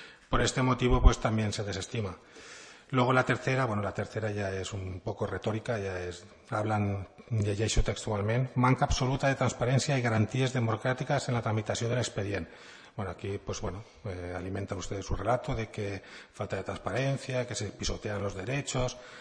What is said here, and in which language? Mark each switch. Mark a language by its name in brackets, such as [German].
[Spanish] Por este motivo, pues también se desestima. Luego la tercera ya es un poco retórica, [Catalan] llegeixo textualment, manca absoluta de transparència i garanties democràtiques en la tramitació de l'expedient. [Spanish] Bueno, aquí pues bueno, alimenta usted su relato de que falta de transparència, que se pisotean los derechos.